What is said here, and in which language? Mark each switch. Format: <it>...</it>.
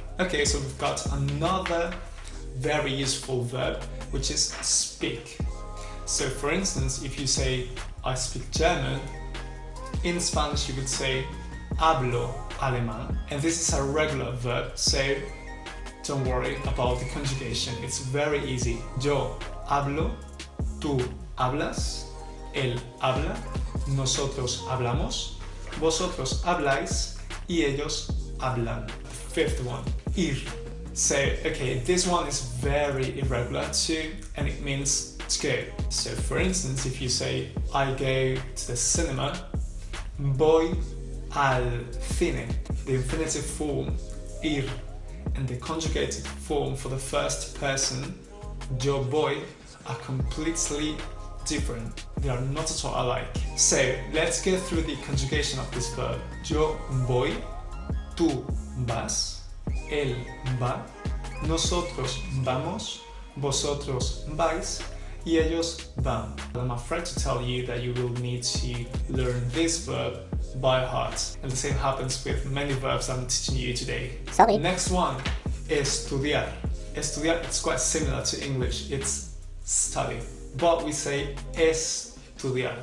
<en>Okay, so we've got another very useful verb, which is speak. So for instance, if you say, I speak German, in Spanish you would say,</en> <es>hablo alemán.</es> <en>And this is a regular verb, so don't worry about the conjugation, it's very easy.</en> <es>Yo hablo, tú hablas, él habla, nosotros hablamos, vosotros habláis, y ellos hablan.</es> <en>Fifth one, ir. So, okay, this one is very irregular too, and it means to go. So, for instance, if you say, I go to the cinema,</en> <es>voy al cine.</es> <en>The infinitive form, ir, and the conjugated form for the first person,</en> <es>yo voy,</es> <en>are completely different. They are not at all alike. So let's get through the conjugation of this verb.</en> <es>Yo voy, tú vas, él va, nosotros vamos, vosotros vais, y ellos van.</es> <en>I'm afraid to tell you that you will need to learn this verb by heart. And the same happens with many verbs I'm teaching you today. Sorry. Next one, estudiar. Estudiar, it's quite similar to English. It's study, but we say estudiar.</en>